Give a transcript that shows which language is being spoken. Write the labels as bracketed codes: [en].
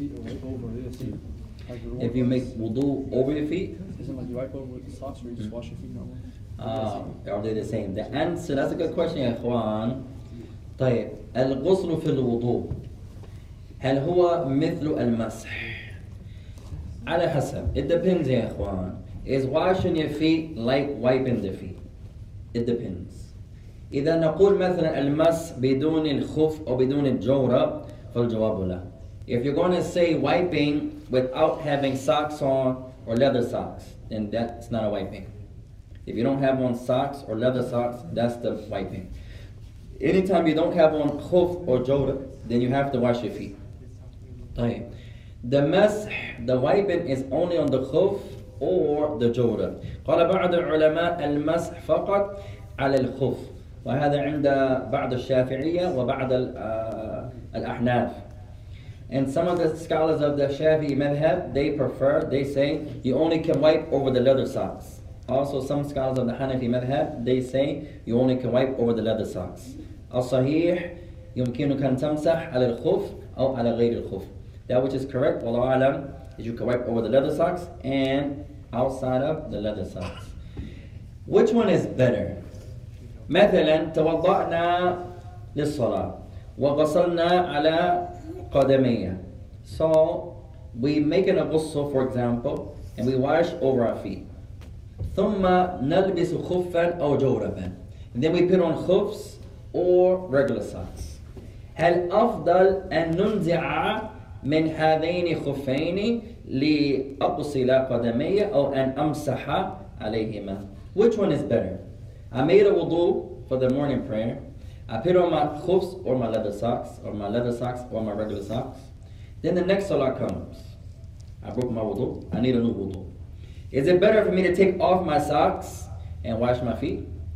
[en] and wash your feet over this, if you make wudu over your feet, isn't like you wipe over with the socks or you just wash your feet normally? Are they the same? The answer, that's a good question, ikhwan. [ar] طيب, الغسل في الوضوء هل هو مثل المسح؟ على حسب. [en] It depends, ikhwan. Is washing your feet like wiping the feet? It depends. [ar] إذا نقول مثلا المس بدون الخف أو بدون الجورب فالجواب لا. [en] If you're going to say wiping without having socks on or leather socks, then that's not a wiping. If you don't have on socks or leather socks, that's the wiping. Anytime you don't have on khuf or jorab, then you have to wash your feet. The masḥ, the wiping is only on the khuf or the jorab. [ar] قال بعض العلماء المسح فقط على الخف وهذا عند بعض الشافعية وبعض الأحناف. [en] And some of the scholars of the Shafi'i madhab, they say you only can wipe over the leather socks. Also, some scholars of the Hanafi madhab, they say you only can wipe over the leather socks. [ar] الصحيح يمكنك أن تمسح على الخف أو على غير الخف. [en] That which is correct, [ar] والله أعلم, [en] is you can wipe over the leather socks and outside of the leather socks. Which one is better? [ar] مثلا توضأنا للصلاة وغسلنا على قدمية. [en] So we make a ghusl, for example, and we wash over our feet. [ar] ثم نلبس خفا أو جوربا. [en] Then we put on خفs or regular socks. [ar] هل أفضل أن ننزع من هذين خفين لأغسل قدمي أو أن أمسح عليهما؟ [en] Which one is better? I made a wudu for the morning prayer. I put on my خفs or my leather socks or my leather socks or my regular socks. Then the next salah comes. I broke my wudu. I need a new wudu. Is it better for me to take off my socks and wash my feet?